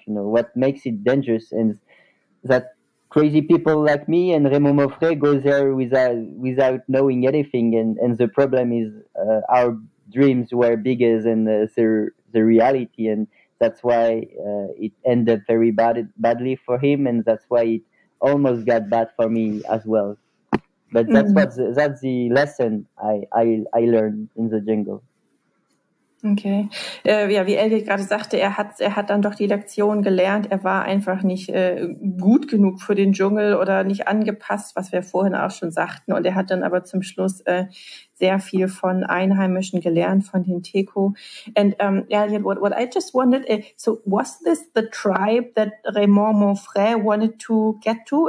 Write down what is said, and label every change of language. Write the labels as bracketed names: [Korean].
[English] You know what makes it dangerous, and that crazy people like me and Raymond Moffret go there without knowing anything, and the problem is our dreams were bigger than the reality, and that's why it ended very badly for him, and that's why it almost got bad for me as well. But that's that's the lesson I learned in the jungle. Okay. [German] Ja, wie Elliot gerade sagte, er hat dann doch die Lektion gelernt. Er war einfach nicht gut genug für den Dschungel oder nicht angepasst, was wir vorhin auch schon sagten. Und er hat dann aber zum Schluss sehr viel von Einheimischen gelernt, von den Teko. [English] And Elliot, what I just wondered, so was this the tribe that Raymond Moffret wanted to get to?